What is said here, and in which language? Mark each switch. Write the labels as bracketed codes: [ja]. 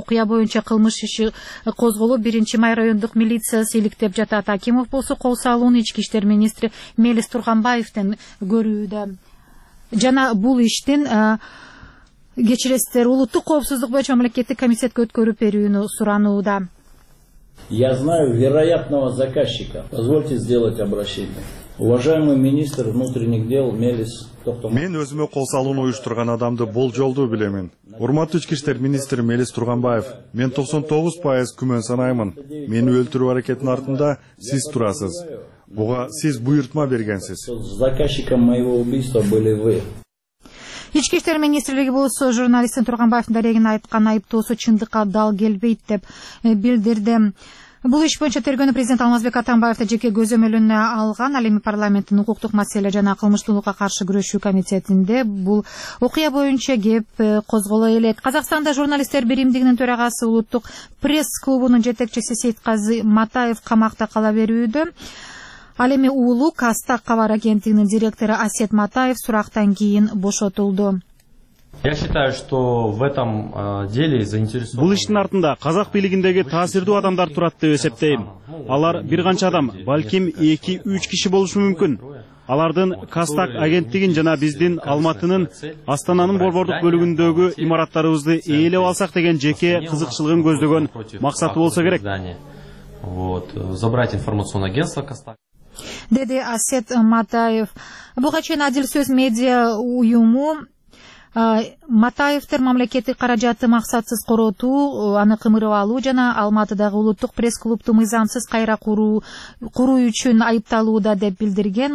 [ky] Окуя боюнча кылмыш иши козголуп, 1-май райондук милициясы иликтеп жатат. Акимов болсо кол салууну ички иштер министри Мелис Турганбаевден көрүүдө. Жана бул иштин кечиресиздер, улуттук коопсуздук боюнча мамлекеттик комитетке өткөрүп берүүнү суранууда. [ru] Я знаю вероятного заказчика. Позвольте сделать обращение. Уважаемый министр внутренних дел Мелис. [ky] Мен өзүмө кол салууну уюштурган адамды болжолдуу билемин. Урматтуу ички иштер министри Мелис Турганбаев, мен 99% күмөн санаймын. Мени өлтүрүү аракетинин артында сиз турасыз. Буга сиз буйрутма бергенсиз. [ru] Заказчиком моего убийства были вы. [ky] Ички иштер министрлиги болсо журналисттин Турганбаевдин дарегин айткан айыптоосу чындыкка дал келбейт деп билдирди. Бул иш боюнча тергөөнү президент Алмазбек Атамбаевди жеке көзөмөлүнө алган. Ал эми парламенттин укуктук маселе жана кылмыштуулукка каршы күрөшүү комитетинде бул окуя боюнча кеп козголо элек. Казакстанда журналисттер биримдигинин төрагасы улуттук пресс клубунун жетекчиси Сейтказы Матаев камакта кала берүүдө. Ал эми уулу Кастак кабар агенттигинин директору Асет Матаев сурактан кийин бошотулду. [ru] Я считаю, что в этом деле заинтересован. [ky] Бул иштин артында казак бийлигиндеги таасирдүү адамдар турат деп эсептейм. Алар бир канча адам, балким 2-3 киши болушу мүмкүн. Алардын Кастак агенттигин жана биздин Алматынын Астананын борбордук бөлүгүндөгү имараттарыбызды ээлеп алсак деген жеке кызыкчылыгын көздөгөн максаты болсо керек. [ru] Вот, забрать информационное агентство Кастак. [ky] Деди Асет Матаев. Буга чейин Адил Сөз медиа уюму Матаевдер мамлекеттик каражатты максатсыз коротуу, аны кымырып алуу жана Алматыдагы улуттук пресс клубту мыйзамсыз кайра куруу үчүн айыпталууда деп билдирген.